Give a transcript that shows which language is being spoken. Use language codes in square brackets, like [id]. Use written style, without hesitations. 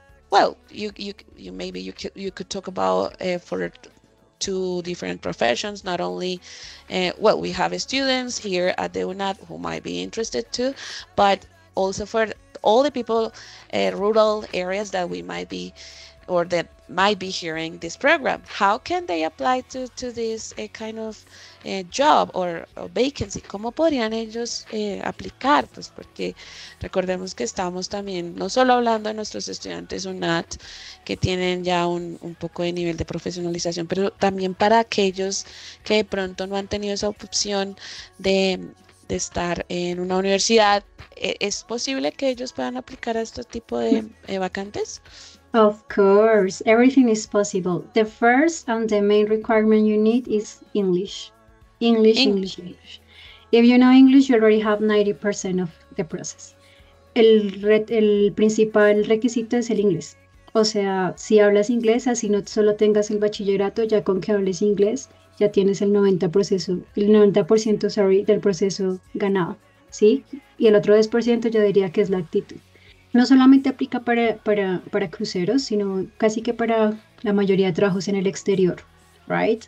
[en] Well, you could talk about for two different professions, not only, we have students here at the UNAD who might be interested too, but also for all the people rural areas that we might be or that might be hearing this program. How can they apply to this kind of job or vacancy? [es] ¿Cómo podrían ellos aplicar? Pues porque recordemos que estamos también no solo hablando de nuestros estudiantes UNAD que tienen ya un poco de nivel de profesionalización, pero también para aquellos que de pronto no han tenido esa opción de estar en una universidad, ¿es posible que ellos puedan aplicar a este tipo de vacantes? [en] Of course, everything is possible. The first and the main requirement you need is English. If you know English, you already have 90% of the process. [es] El principal requisito es el inglés. O sea, si hablas inglés, así no solo tengas el bachillerato, ya con que hables inglés, ya tienes el 90% del proceso ganado, ¿sí? Y el otro 10% yo diría que es la actitud. No solamente aplica para cruceros, sino casi que para la mayoría de trabajos en el exterior, ¿right?